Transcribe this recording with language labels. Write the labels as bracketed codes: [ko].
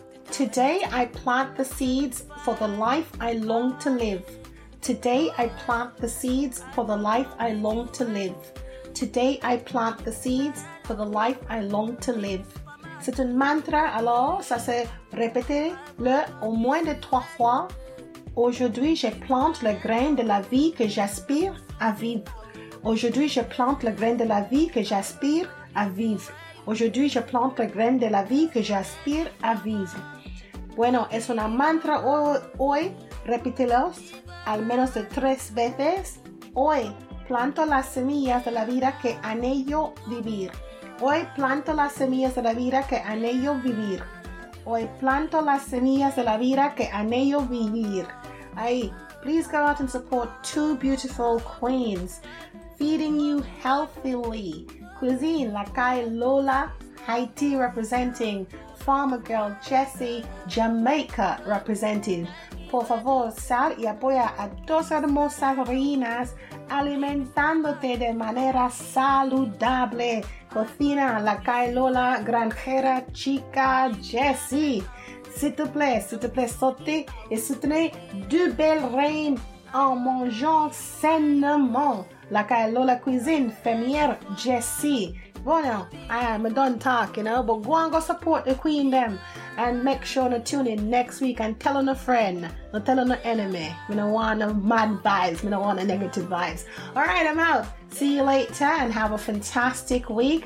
[en] Today I plant the seeds for the life I long to live. Today I plant the seeds for the life I long to live. Today I plant the seeds for the life I long to live. [fr] C'est un mantra, alors ça c'est répétez-le au moins de trois fois. Aujourd'hui je plante le grain de la vie que j'aspire à vivre. Aujourd'hui je plante le grain de la vie que j'aspire à vivre. Aujourd'hui je plante le grain de la vie que j'aspire à vivre. [es] Bueno, es una mantra hoy, repítelos al menos de tres veces. Hoy planto las semillas de la vida que anhelo vivir. Hoy planto las semillas de la vida que anhelo vivir. Hoy planto las semillas de la vida que anhelo vivir. [en] Ahí, please go out and support two beautiful queens feeding you healthily. Cuisine, la calle Lola, Haiti representing. Farmer Girl Jessie, Jamaica represented. [es] Por favor, sal y apoya a dos hermosas reinas alimentándote de manera saludable. Cocina la calle Lola, granjera chica Jessie. [fr] S'il te plaît, sauté et soutenez deux belles reines en mangeant sainement. La calle Lola cuisine, fermière Jessie. [en] Bueno, I'm a done talk, you know, but go and go support the queen them and make sure to tune in next week and tell on a friend, not tell on an enemy. We don't want no mad vibes, we don't want a negative vibes. All right, I'm out. See you later and have a fantastic week.